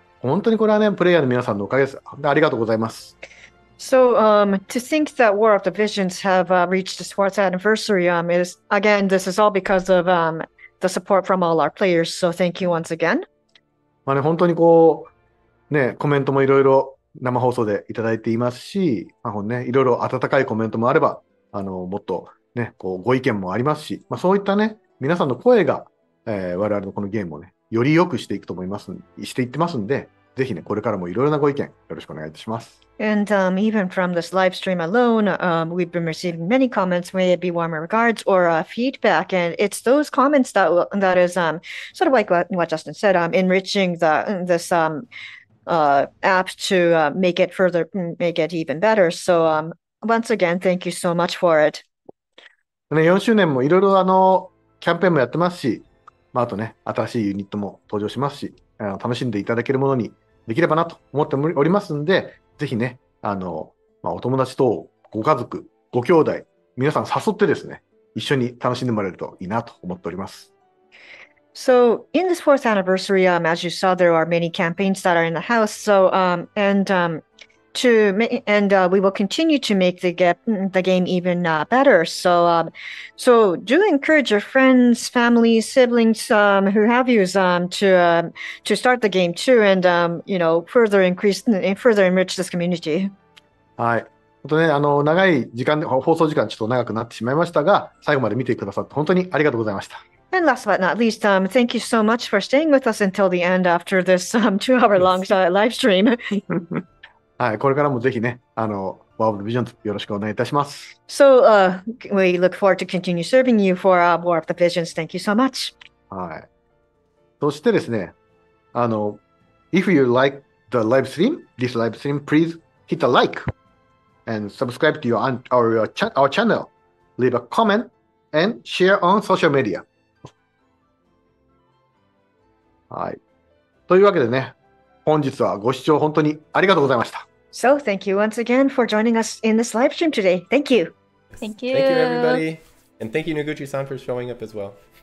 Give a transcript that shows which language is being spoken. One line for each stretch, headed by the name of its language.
Japanese: 本当にこれはね、プレイヤーの皆さんのおかげです。ありがとうございます。
English: So, to think that War of the Visions have reached its fourth anniversary, is, again, this is all because of the support from all our players. So, thank you once again.
Japanese: まあね、本当にこう、ね、コメントもいろいろ生放送でいただいていますし、まあね、いろいろ温かいコメントもあれば、もっと、ね、こうご意見もありますし、まあ、そういった、ね、皆さんの声が、我々のこのゲームを、ね、より良くしていくと思います、していってますんで、ぜひ、ね、これからもいろいろなご意見よろしくお願いいたします。
English: And、even from this live stream alone、we've been receiving many comments, may it be warmer regards or、feedback, and it's those comments that, that is、sort of like what Justin said、enriching the, this、app to、make it further, make it even better. So、once again, thank you so much for it、
Japanese: ね、4周年もいろいろキャンペーンもやってますし、まあ、あとね新しいユニットも登場しますし、楽しんでいただけるものにできればなと思っておりますんで、ぜひね、まあ、お友達とご家族、ご兄弟、皆さん誘ってですね、一緒に楽しんでもらえるといいなと思っております。
English: So, in this fourth anniversary, as you saw, there are many campaigns that are in the house. So, we will continue to make the game even better. So, so do encourage your friends, family, siblings, who have used to start the game too, and you know, further enrich this community.
Japanese: はい。本当ね、長い時間で放送時間ちょっと長くなってしまいましたが、最後まで見てくださって本当にありがとうございました。
English: And last but not least, thank you so much for staying with us until the end after this two-hour long live stream.
Japanese: はい、これからもぜひね、ワールドビジョンズよろしくお願いいたします。
English: So, we look forward to continue serving you for War of the Visions. Thank you so much.
Japanese: はい。そしてですね、
English: If you like the live stream, this live stream, please hit the like and subscribe to our channel. Leave a comment and share on social media.
Japanese: はい。というわけでね、本日はご視聴本当にありがとうございました。
English: So, thank you once again for joining us in this live stream today. Thank you. Thank you. Thank you, everybody. And thank you, Noguchi-san, for showing up as well.